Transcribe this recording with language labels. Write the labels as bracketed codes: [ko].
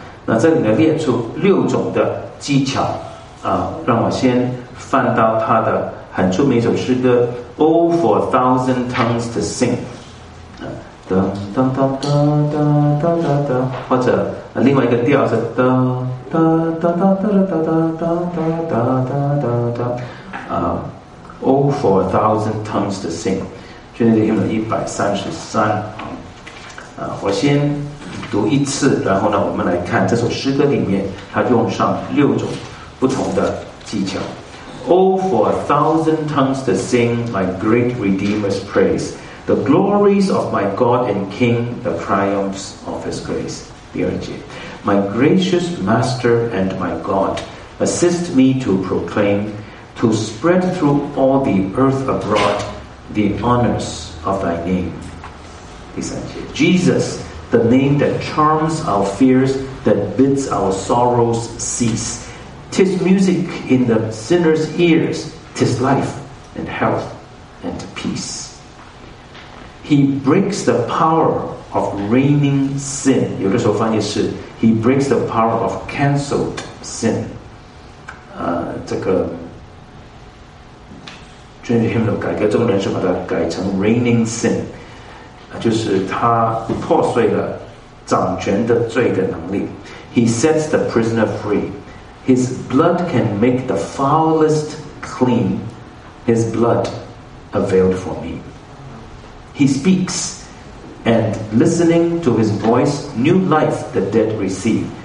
[zh] 那这里呢列出6种的技巧，啊，让我先翻到他的很著名一首诗歌 All for a thousand tongues to sing，或者另外一个调是All for a thousand tongues to sing， 今天用了133，我先读一次，然后呢我们来看这首诗歌里面它用上6种不同的技巧。 [en] All for a thousand tongues to sing my great Redeemer's praiseThe glories of my God and King, the triumphs of His grace. [zh] 第二节 [en] My gracious Master and my God, assist me to proclaim, to spread through all the earth abroad, the honors of Thy name. [zh] 第三节 [en] Jesus, the name that charms our fears, that bids our sorrows cease. 'Tis music in the sinner's ears, 'tis life and health and peace. He breaks the power of reigning sin. [zh] 有的时候翻译是 [en] He breaks the power of cancelled sin. [zh] 这个 Change Hymn 的改革中人是把它改成 [en] reigning sin， [zh] 就是他破碎了掌权的罪的能力。 [en] He sets the prisoner free. His blood can make the foulest clean. His blood availed for me. He speaks, and listening to his voice, new life the dead receive.